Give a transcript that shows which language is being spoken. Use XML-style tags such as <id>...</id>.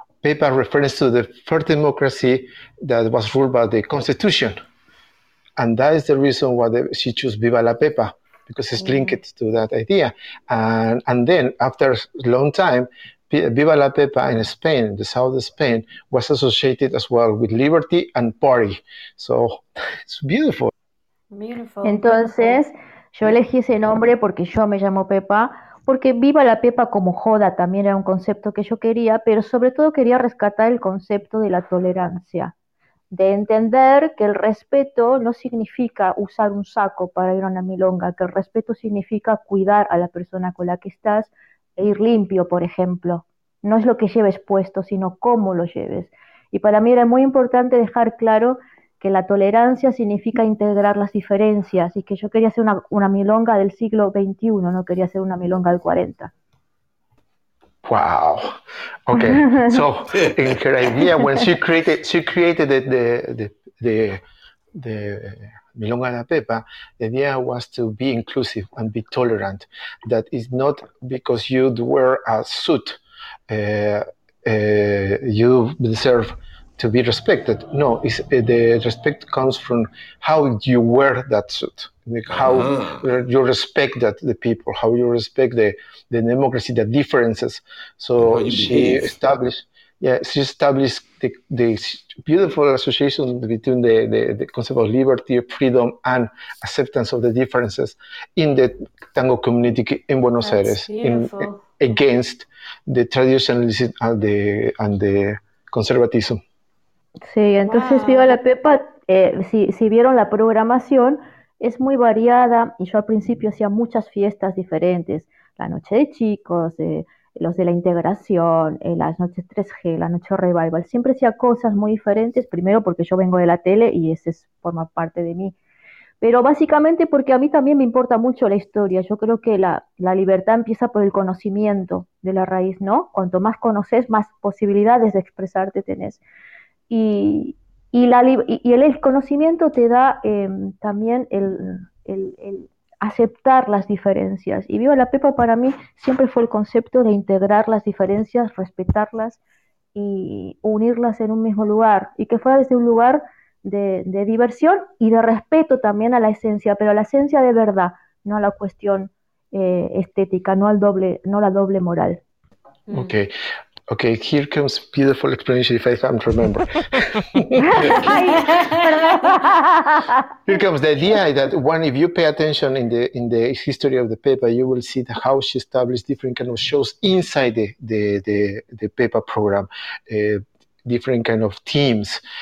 <en>Pepa refers to the first democracy that was ruled by the constitution, and that is the reason why she chose "Viva la Pepa," because it's linked to that idea. And then after a long time, Viva la Pepa in Spain, the south of Spain, was associated as well with liberty and party. So it's beautiful.</en> <es>Entonces, yo elegí ese nombre porque yo me llamo Pepa, porque Viva la Pepa como joda también era un concepto que yo quería, pero sobre todo quería rescatar el concepto de la tolerancia, de entender que el respeto no significa usar un saco para ir a una milonga, que el respeto significa cuidar a la persona con la que estás, e ir limpio, por ejemplo. No es lo que lleves puesto, sino cómo lo lleves. Y para mí era muy importante dejar claro que la tolerancia significa integrar las diferencias y que yo quería hacer una milonga del siglo XXI, no quería hacer una milonga del 40.</es> <en>Wow. Okay. So, in her idea, when she created the Milonga La Pepa, the idea was to be inclusive and be tolerant. That is not because you wear a suit, you deserve to be respected. No, the respect comes from how you wear that suit, like how you respect that the people, how you respect the democracy, the differences. So she established the beautiful association between the concept of liberty, freedom, and acceptance of the differences in the tango community in Buenos Aires, against the traditionalism and the conservatism.</en> <es>Sí, entonces wow. Viva la Pepa, si vieron la programación, es muy variada, y yo al principio hacía muchas fiestas diferentes, la noche de chicos, los de la integración, las noches 3G, la noche revival, siempre hacía cosas muy diferentes, primero porque yo vengo de la tele y ese forma parte de mí, pero básicamente porque a mí también me importa mucho la historia. Yo creo que la libertad empieza por el conocimiento de la raíz, ¿no? Cuanto más conoces, más posibilidades de expresarte tenés. Y el conocimiento te da también el aceptar las diferencias. Y Viva la Pepa para mí siempre fue el concepto de integrar las diferencias, respetarlas y unirlas en un mismo lugar. Y que fuera desde un lugar de diversión y de respeto también a la esencia, pero a la esencia de verdad, no a la cuestión estética, no la doble moral.</es> <en>Okay. Okay, here comes beautiful explanation if I can remember. Here comes the idea that one, if you pay attention in the history of the Pepa, you will see how she established different kind of shows inside the Pepa program, different kind of teams.</en>